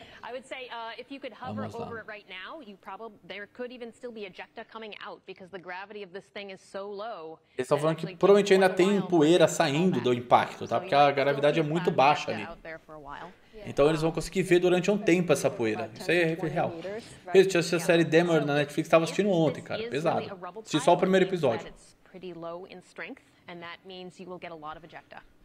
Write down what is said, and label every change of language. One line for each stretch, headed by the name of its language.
English: I would say if you could hover over it right now, you probably there could even still be ejecta coming out because the gravity of this thing is so low.
Portuguese: Eles estão falando que provavelmente ainda tem poeira saindo do impacto, tá? Porque a gravidade é muito baixa ali. Então eles vão conseguir ver durante um tempo essa poeira. Isso aí é real. Eu tinha assistido a série Demer na Netflix, estava assistindo ontem, cara. Pesado. Assisti só o primeiro episódio.
English: It's pretty low in strength, and that means you will get a lot of ejecta.